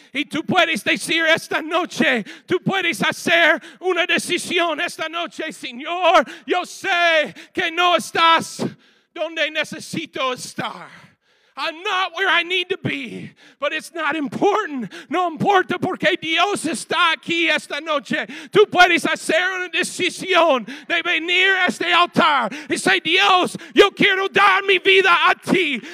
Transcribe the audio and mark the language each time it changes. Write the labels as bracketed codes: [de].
[es] Y tú puedes decir esta noche, tú puedes hacer una decisión esta noche, Señor. Yo sé que no estás donde necesito estar. [en] I'm not where I need to be, but it's not important. [es] No importa porque Dios está aquí esta noche. Tú puedes hacer una decisión de venir a este altar y say, Dios, yo quiero dar mi vida a ti.